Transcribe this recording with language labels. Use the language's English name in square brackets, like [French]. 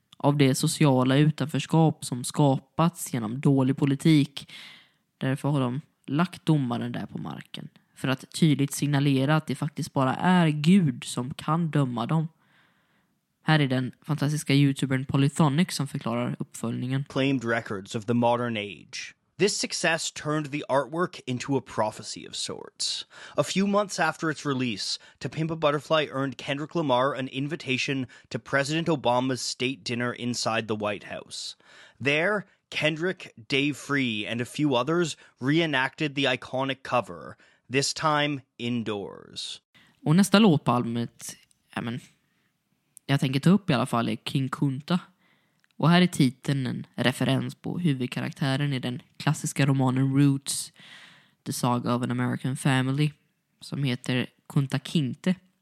[Swedish] Av det sociala utanförskap som skapats genom dålig politik. Därför har de lagt domaren där på marken för att tydligt signalera att det faktiskt bara är Gud som kan döma dem. Här är den fantastiska YouTubern Polythonic som förklarar uppföljningen. [English] Claimed records of the modern age. This success turned the artwork into a prophecy of sorts. A few months after its release, To Pimp a Butterfly earned Kendrick Lamar an invitation to President Obama's state dinner inside the White House. There, Kendrick, Dave Free, and a few others reenacted the iconic cover, this time indoors. [Swedish] Och nästa låt på albumet, jag tänker ta upp i alla fall, är King Kunta. Och här är titeln en referens på huvudkaraktären i den klassiska romanen Roots, The Saga of an American Family, som heter Kunta Kinte.